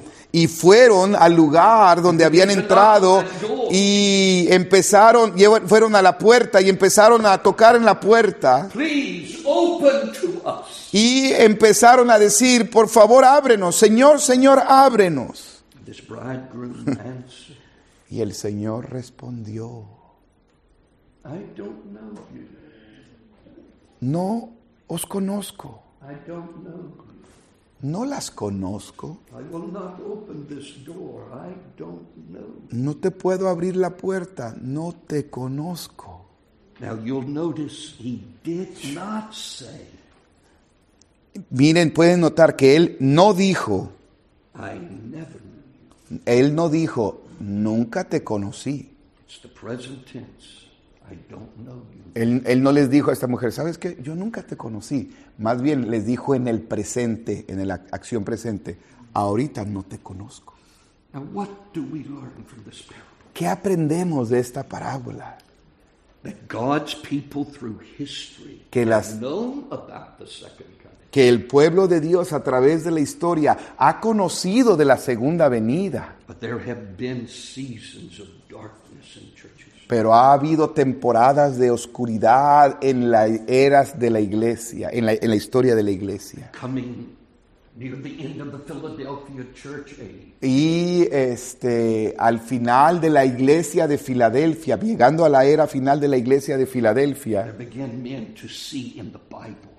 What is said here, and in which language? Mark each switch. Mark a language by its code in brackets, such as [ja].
[es] Y fueron al lugar donde habían entrado y fueron a la puerta y empezaron a tocar en la puerta. [en] Please open to us. [es] Y empezaron a decir, por favor, ábrenos, Señor, Señor, ábrenos. [en] This bridegroom answered. [es] Y el Señor respondió, [en] I don't know you. [es] No os conozco. [en] I don't know you. [es] No las conozco. [en] I will not open this door. I don't know. [es] No te puedo abrir la puerta. No te conozco. [en] Now you'll notice he did not say. [es] Miren, pueden notar que él no dijo. [en] I never knew. [es] Él no dijo. Nunca te conocí. [en] It's the present tense. I don't know you. [es] Él no les dijo a esta mujer, ¿sabes qué? Yo nunca te conocí. Más bien les dijo en el presente, en la acción presente, ahorita no te conozco. [en] Now, what do we learn from this parable? [es] ¿Qué aprendemos de esta parábola? [en] That God's people through history [es] que las... [en] have known about the second. [es] Que el pueblo de Dios a través de la historia ha conocido de la segunda venida. [en] But there have been seasons of darkness in churches. [es] Pero ha habido temporadas de oscuridad en las eras de la iglesia, en la historia de la iglesia. [en] Coming near the end of the Philadelphia church age. [es] Y al final de la iglesia de Filadelfia, llegando a la era final de la iglesia de Filadelfia, [en] there began men to see in the Bible.